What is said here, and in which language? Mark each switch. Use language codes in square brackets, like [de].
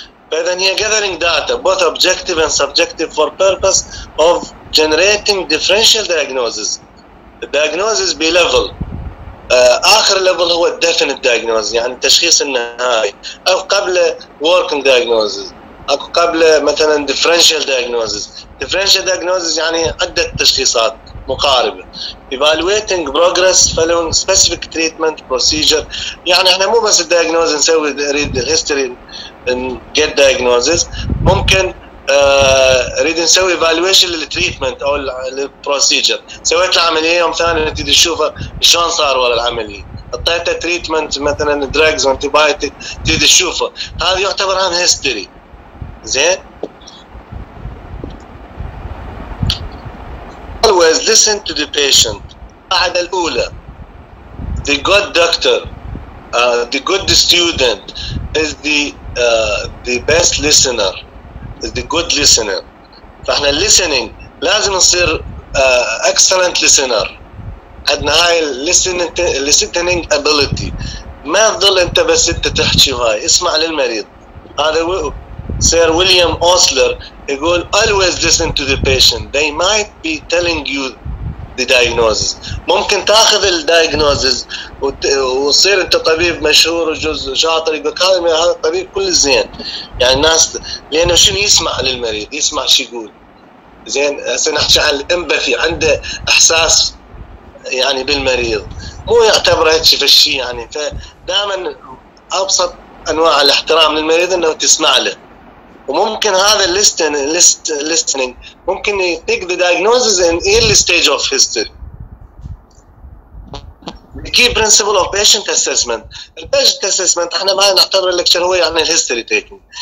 [ar] فإذا هي [en] gathering data both objective and subjective for purpose of generating differential diagnosis. Diagnosis be level. آخر level هو definite diagnosis [ar] يعني تشخيص النهائي أو قبل [en] working diagnosis [ar] أو قبل مثلا [en] differential diagnosis. [ar] Differential diagnosis يعني عدة تشخيصات مقاربة. [en] Evaluating progress following specific treatment procedure [ar] يعني احنا مو بس الدياجنوزي نسوي [en] read the history and get diagnosis [ar] ممكن اريد نسوي [en] evaluation [ar] للتريتمنت او للبروسيجر. سويت العملية يوم ثاني نتيد تشوفه شلون صار ورا العملية اعطيته treatment مثلا drugs antibiotic تيد تشوفه هذا يعتبر عن history. [en] زين always listen to the patient. [ar] قاعدة الأولى [en] the good doctor the good student is the best listener, is the good listener. [ar] فاحنا listening لازم نصير excellent listener. عندنا هاي listening ability. ما تظل انت بس انت تحكي هاي، اسمع للمريض. هذا سير ويليام أوسلر يقول [en] always listen to the patient. They might be telling you the diagnosis. [ar] ممكن تاخذ الدايجنوزز وتصير انت طبيب مشهور وجزء شاطر يقول كلمة هذا الطبيب كل زين. يعني الناس لانه شنو يسمع للمريض، يسمع شو يقول. زين هسه نحكي عن الامباثي، عنده احساس يعني بالمريض، مو يعتبره هيك فشي يعني. فدائما ابسط انواع الاحترام للمريض انه تسمع له. وممكن هذا [en] listening ممكن يpick the diagnosis in early stage of history. The key principle of patient assessment. The patient assessment [ar] احنا ما نعتبر [en] lecture [ar] هو يعني [en] history taking.